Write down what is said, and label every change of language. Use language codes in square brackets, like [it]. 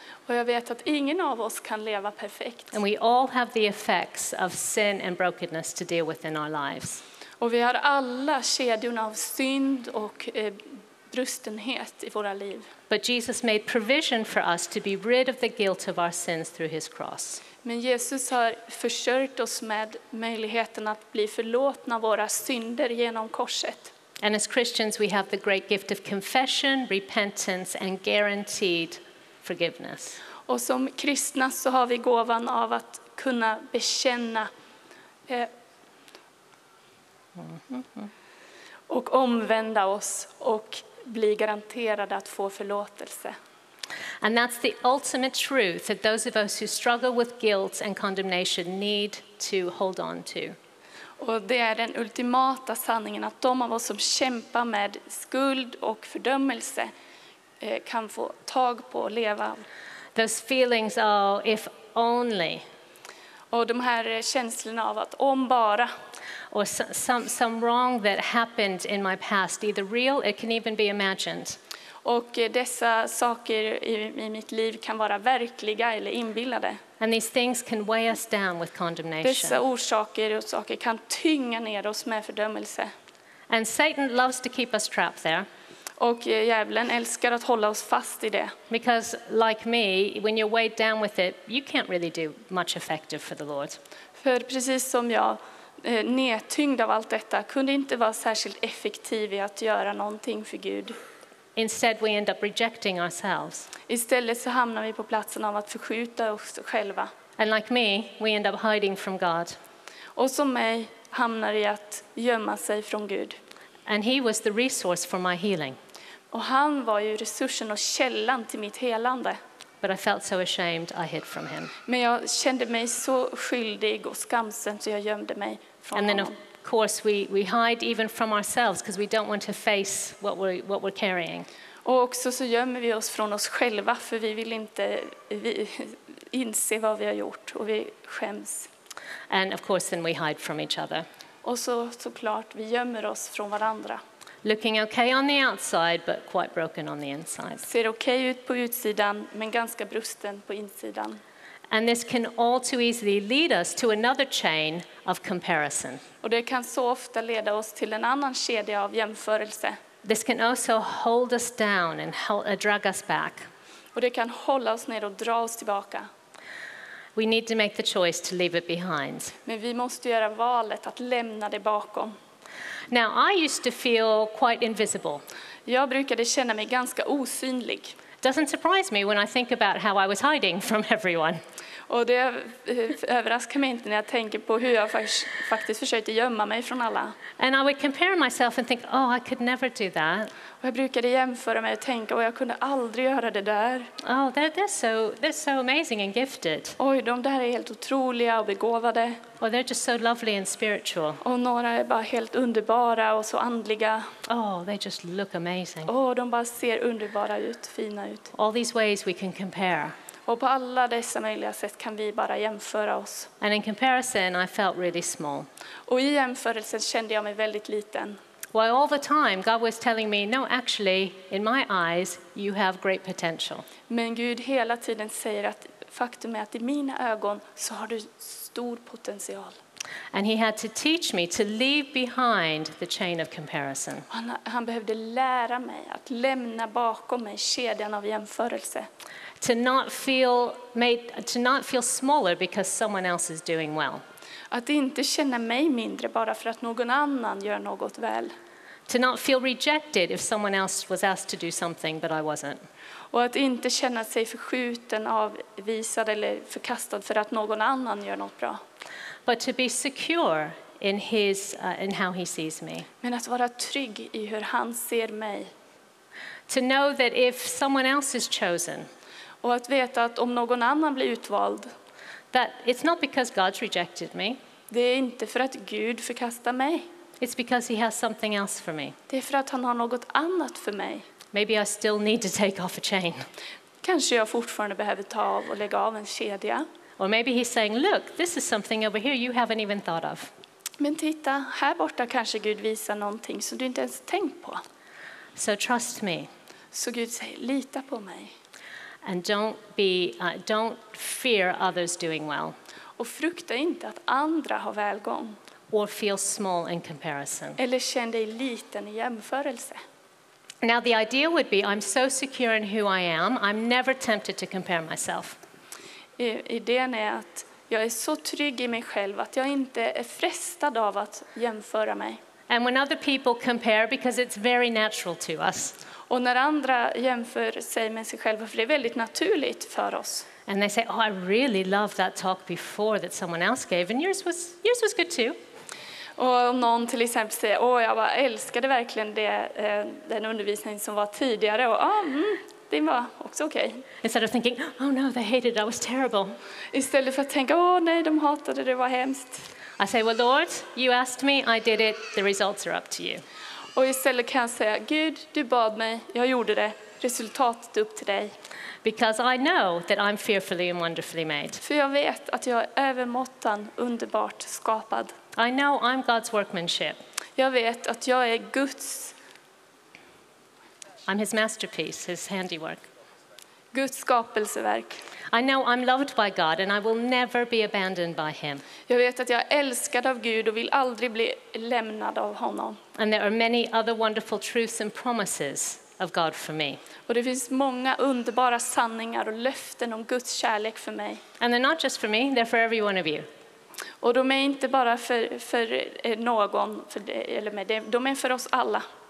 [sv] Och jag vet att ingen av oss kan leva perfekt. [en] And we all have the effects of sin and brokenness to deal with in our lives. [sv] Och vi har alla kedjorna av synd och brustenhet I våra liv. [en] But Jesus made provision for us to be rid of the guilt of our sins through his cross. [sv] Men Jesus har försörjt oss med möjligheten att bli förlåtna våra synder genom korset. [en] And as Christians we have the great gift of confession, repentance and guaranteed forgiveness. [sv] Och som kristna så har vi gåvan av att kunna bekänna och omvända oss och bli garanterade att få förlåtelse. [en] And that's the ultimate truth that those of us who struggle with guilt and condemnation need to hold on to. [sv] Och det är den ultimata sanningen att de av oss som kämpar med skuld och fördömelse kan få tag på och leva. [en] Those feelings of if only. [sv] Och de här känslorna av att om bara. [en] Or some wrong that happened in my past, either real, it can even be imagined. [sv] Och dessa saker I mitt liv kan vara verkliga eller inbillade. [en] And these things can weigh us down with condemnation. [sv] Dessa orsaker och saker kan tynga ner oss med fördömelse. [en] And Satan loves to keep us trapped there. [sv] Och djävulen älskar att hålla oss fast I det. [en] Because like me, when you're weighed down with it, you can't really do much effective for the Lord. [sv] För precis som jag, nedtyngd av allt detta, kunde inte vara särskilt effektiv I att göra någonting för Gud. [en] Instead we end up rejecting ourselves. [sv] Istället så hamnar vi på platsen av att förskjuta oss själva. [en] And like me, we end up hiding from God. [sv] Och som mig hamnar I att gömma sig från Gud. [en] And he was the resource for my healing. [sv] Och han var ju resursen och källan till mitt helande. [en] But I felt so ashamed I hid from him. [sv] Men jag kände mig så skyldig och skamsen så jag gömde mig från [en] And then [sv] honom. [en] Of course we hide even from ourselves because we don't want to face what we're carrying. [sv] Och också så gömmer vi oss från oss själva för vi vill inte inse vad vi har gjort och vi skäms. [en] And of course then we hide from each other. [sv] Och så såklart vi gömmer oss från varandra. [en] Looking okay on the outside but quite broken on the inside. [sv] Ser okej ut på utsidan men ganska brusten på insidan. [en] And this can all too easily lead us to another chain of comparison. [sv] Och det kan så ofta leda oss till en annan kedja av jämförelse. [en] This can also hold us down and drag us back. [sv] Och det kan hålla oss ner och dra oss tillbaka. [en] We need to make the choice to leave it behind. [sv] Men vi måste göra valet att lämna det bakom. [en] Now I used to feel quite invisible. [sv] Jag brukade känna mig ganska osynlig. [en] Doesn't surprise me when I think about how I was hiding from everyone. [sv] Och det överraskar mig inte när jag tänker på hur jag faktiskt försökte gömma mig från alla. [en] And I would compare myself and think, oh, I could never do that. [sv] Och jag brukade jämföra mig och tänka, jag kunde aldrig göra det där. [en] Oh, they're so amazing and gifted. [sv] Oj, de där är helt otroliga och begåvade. [en] Oh, they're just so lovely and spiritual. [sv] Och några är bara helt underbara och så andliga. [en] Oh, they just look amazing. [sv] Oh, de bara ser underbara ut, fina ut. [en] All these ways we can compare. [sv] Och på alla dessa möjliga sätt kan vi bara jämföra oss. [en] And in comparison, I felt really small. [sv] Och I jämförelsen kände jag mig väldigt liten. [en] While all the time God was telling me, no, actually, in my eyes, you have great potential. [sv] Men Gud hela tiden säger att faktum är att I mina ögon så har du stor potential. [en] And he had to teach me to leave behind the chain of comparison. [sv] Han behövde lära mig att lämna bakom mig kedjan av jämförelse. [en] To not feel smaller because someone else is doing well. [sv] Att inte känna mig mindre bara för att någon annan gör något väl. [en] To not feel rejected if someone else was asked to do something but I wasn't. [sv] Och att inte känna sig förskjuten, avvisad eller förkastad för att någon annan gör något bra. [en] But to be secure in in how he sees me. [sv] Men att vara trygg I hur han ser mig. [en] To know that if someone else is chosen. [sv] Och att veta att om någon annan blir utvald. [en] That it's not because God's rejected me. [sv] Det är inte för att Gud förkastar mig. [en] It's because he has something else for me. [sv] Det är för att han har något annat för mig. [en] Maybe I still need to take off a chain. [sv] Kanske jag fortfarande behöver ta av och lägga av en kedja. [en] Or maybe he's saying, look, this is something over here you haven't even thought of. [sv] Men titta, här borta kanske Gud visar någonting som du inte ens tänkt på. [en] So trust me. [sv] Så Gud säger, lita på mig. [en] And don't fear others doing well. [sv] Och frukta inte att andra har välgång. [en] Or feel small in comparison. [sv] Eller känn dig liten i jämförelse. [en] Now the idea would be, I'm so secure in who I am, I'm never tempted to compare myself. [sv] Idén är att jag är så trygg i mig själv att jag inte är frestad av att jämföra mig. [en] And when other people compare, because it's very natural to us. [sv] Och när andra jämför sig med sig själva, för det är väldigt naturligt för oss. [en] And they say, oh, I really loved that talk before that someone else gave, and yours was good too. [sv] Och någon till exempel säger, åh, jag älskade verkligen den undervisning som var tidigare. Och det var också okej. [en] Okay. Instead of thinking, oh no, they hated it, I was terrible. [sv] Istället för att tänka, åh nej, de hatade det, var hemskt. [en] I say, well Lord, you asked me, I did it, the results are up to you. [sv] Och istället kan jag säga, Gud, du bad mig, jag gjorde det, resultatet upp till dig. [en] Because I know that I'm fearfully and wonderfully made. [sv] För jag vet att jag är övermåttan underbart skapad. [en] I know I'm God's workmanship. [sv] Jag vet att jag är Guds. [en] I'm his masterpiece, his handiwork. [sv] Guds skapelseverk. [en] I know I'm loved by God and I will never be abandoned by him. [sv] Jag vet att jag är älskad av Gud och vill aldrig bli lämnad av honom. [en] And there are many other wonderful truths and promises of God for me. [sv] Och det finns många underbara sanningar och löften om Guds kärlek för mig. [en] And they're not just for me, they're for every one of you. [sv] Och de är inte bara för någon för det, eller med det, de är för oss alla.